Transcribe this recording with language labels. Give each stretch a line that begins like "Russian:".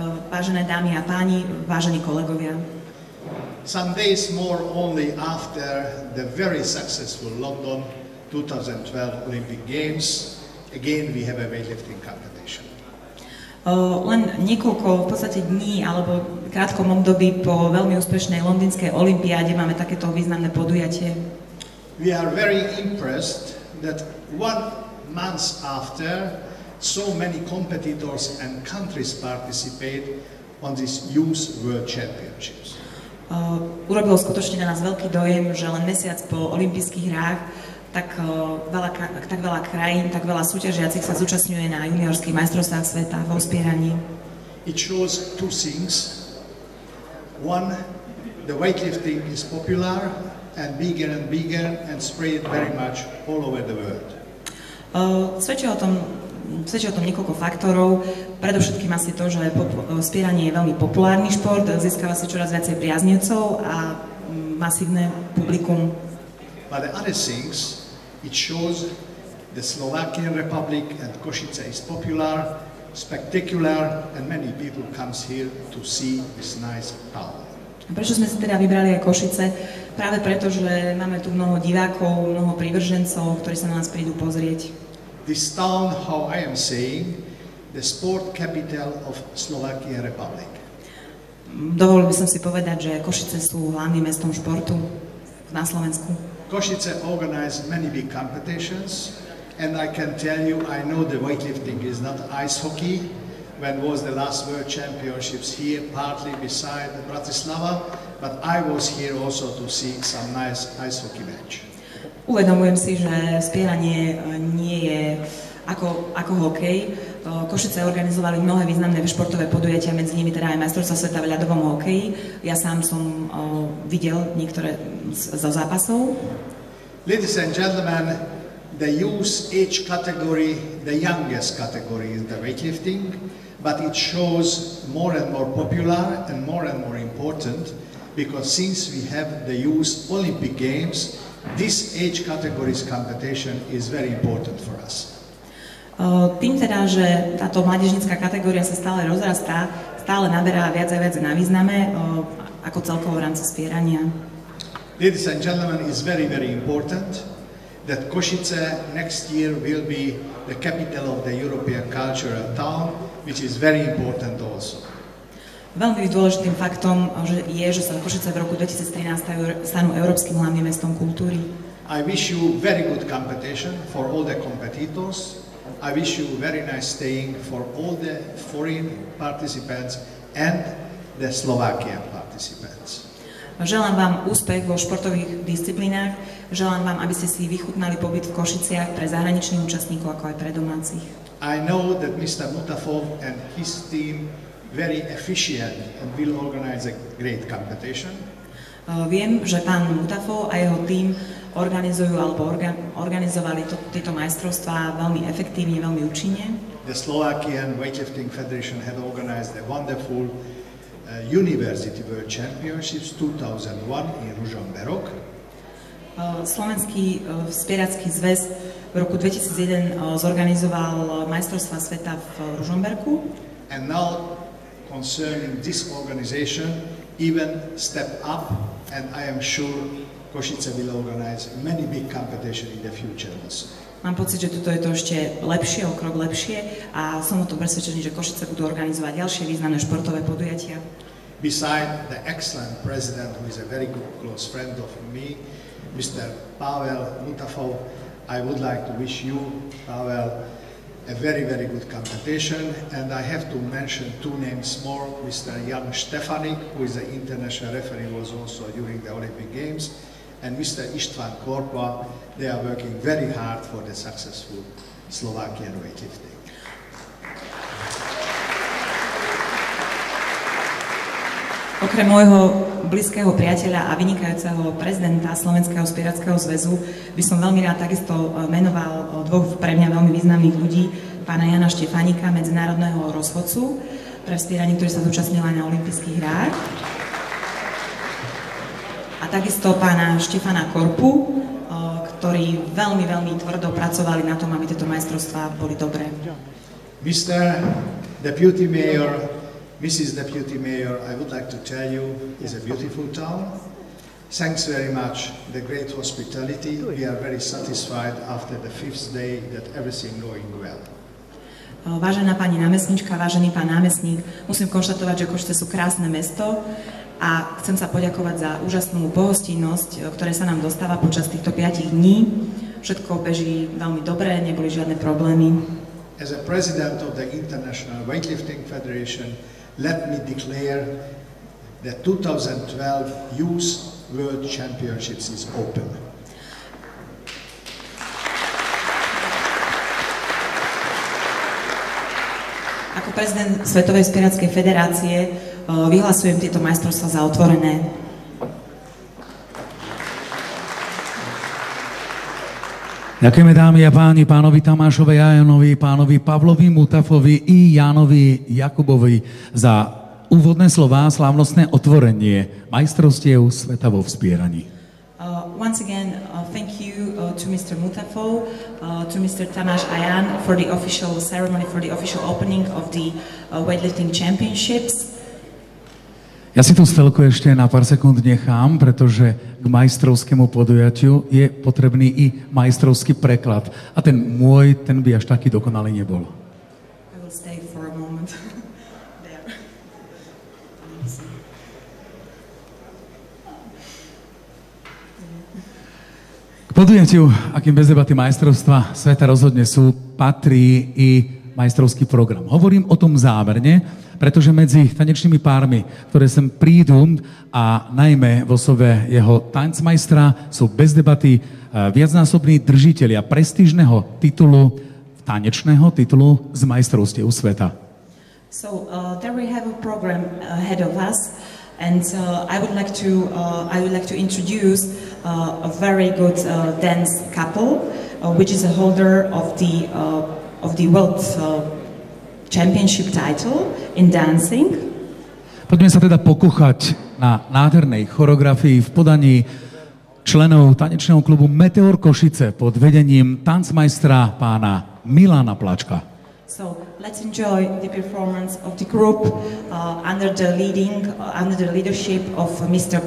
Slovak: Vážené dámy a páni, vážení kolegovia.
English: Some days more only after the very successful London 2012 Olympic Games, again we have a weightlifting competition.
Slovak: Len niekoľko v podstate dní alebo krátkom období po veľmi úspešnej londýnskej olympiáde máme takéto významné podujatie.
English: We are very impressed that one month after so many competitors and countries participate on this Youth World Championships.
Slovak: Urobilo skutočne na nás veľký dojem, že len mesiac po olympijských hrách tak veľa krajín, tak veľa súťažiacich sa zúčastňuje na juniorských majstrovstvách sveta vo vzpieraní.
English: It shows two things. One, the weightlifting is popular and bigger and spread very much all over the world.
Slovak: Svedčí o tom niekoľko faktorov, predovšetkým asi to, že spieranie je veľmi populárny šport, získava si čoraz viacej priaznivcov a masívne publikum.
English: But the other things, it shows the Slovakian Republic and Košice is popular, spectacular and many people comes here to see this nice town.
Slovak: A prečo sme si teda vybrali aj Košice? Práve preto, že máme tu mnoho divákov, mnoho prívržencov, ktorí sa na nás prídu pozrieť.
English: This town, how I am saying, the sport capital of Slovakia Republic.
Slovak: Dovolil by som si povedať, že Košice sú hlavným mestom športu na Slovensku.
English: Košice organized many big competitions and I can tell you, I know the weightlifting is not ice hockey. When was the last world championships here, partly beside Bratislava, but I was here also to see some nice ice hockey match.
Slovak: Uvedomujem si, že spieranie nie je ako hokej. Košice organizovali mnohé významné športové podujatia, medzi nimi teda aj majstrovstvá sveta v ľadovom hokeji. Ja sám som videl niektoré zo zápasov.
English: Ladies and gentlemen, the youth age category, the youngest category is the weightlifting, but it shows more and more popular and more important because since we have the youth Olympic Games, this age categories competition is very important for us.
Slovak: Tým teda, že táto mládežnícka kategória sa stále rozrastá, stále naberá viac a viac na význame ako celkovo v rámci spierania.
English: Ladies and gentlemen, it's very, very important that Košice next year will be the capital of the European cultural town, which is very important also.
Slovak: Veľmi dôležitým faktom je, že sa Košice v roku 2013 stanú európskym hlavným mestom kultúry.
English: I wish you very good competition for all the competitors. I wish you very nice staying for all the foreign participants and the Slovakian participants.
Slovak: Želám vám úspech vo športových disciplínach. Želám vám, aby ste si vychutnali pobyt v Košiciach pre zahraničných účastníkov ako aj pre domácich.
English: I know that Mr. Mutafov and his team very efficient and will organize a great competition.
Slovak: Viem, že pán Mutafov a jeho tím organizujú alebo organizovali tieto majstrovstvá veľmi efektívne, veľmi účinne.
English: The Slovakian Weightlifting Federation had organized a wonderful University World Championships 2001 in Ružomberok.
Slovak: Slovenský spieracký zväz v roku 2001 zorganizoval majstrovstvá sveta v Ružomberku.
English: And now concerning this organization even step up, and I am sure Košice will organize many big competition in the future also.
Slovak: Mám pocit, že toto je to ešte lepšie, o krok lepšie, a som o tom presvedčený, že Košice budú organizovať ďalšie významné športové podujatia.
English: Beside the excellent president, who is a very good, close friend of me, Mr. Pavel Mutafov, I would like to wish you, Pavel, a very, very good competition. And I have to mention two names more, Mr. Jan Štefanik, who is the international referee, was also during the Olympic Games, and Mr. István Korpa. They are working very hard for the successful Slovakian weightlifting.
Slovak: Okrem môjho blízkeho priateľa a vynikajúceho prezidenta Slovenského spierackého zväzu by som veľmi rád takisto menoval dvoch pre mňa veľmi významných ľudí, pána Jana Štefanika, medzinárodného rozhodcu pre spieranie, ktorý sa zúčastnil na olympijských hrách, a takisto pána Štefana Korpu, ktorí veľmi, veľmi tvrdo pracovali na tom, aby tieto majstrovstvá boli dobré.
English: Mr. Deputy Mayor, Mrs. Deputy Mayor, I would like to tell you it's a beautiful town. Thanks very much, the great hospitality. We are very satisfied after the fifth day that everything going well.
Slovak: Vážená pani námestnička, vážený pán námestník, musím konštatovať, že Košice sú krásne mesto a chcem sa poďakovať za úžasnú pohostinnosť, ktorá sa nám dostáva počas týchto 5 dní. Všetko beží veľmi dobre, neboli žiadne problémy.
English: As a president of the International Weightlifting Federation, let me declare the 2012 Youth World Championships is open.
Slovak: Ako prezident Svetovej spierackej federácie vyhlasujem tieto majstrovstvá za otvorené. Ďakujeme dámy a páni, pánovi Tamášovi a Janovi, pánovi Pavlovi Mutafovi i Janovi Jakubovi za úvodné slová, slávnostné otvorenie majstrovstiev sveta vo vzpieraní.
English: Once again, thank you to Mr. Mutafo, to Mr. Tamáš Ayan for the official ceremony, for the official opening of the weightlifting championships.
Slovak: Ja si tú stelku ešte na pár sekúnd nechám, pretože k majstrovskému podujatiu je potrebný i majstrovský preklad. A ten môj, ten by až taký dokonalý nebol.
English: I will stay for a moment.
Slovak: K podujatiu, akým bez debaty majstrovstva sveta rozhodne sú, patrí i majstrovský program. Hovorím o tom záverne, pretože medzi tanečnými pármi, ktoré sem prídu, a najmä v osobe jeho tancmajstra, sú bez debaty viacnásobní držitelia prestížneho titulu, tanečného titulu z majstrovstiev sveta.
English: So, there we have a program ahead of us, and I would like to introduce a very good dance couple, which is a holder of the world championship title in dancing.
Slovak: Poďme sa teda pokúchať na nádhernej choreografii v podaní členov tanečného klubu Meteor Košice pod vedením tancmajstra pána Milana Plačka.
English: So, let's enjoy the performance of the group under the leadership of Mr.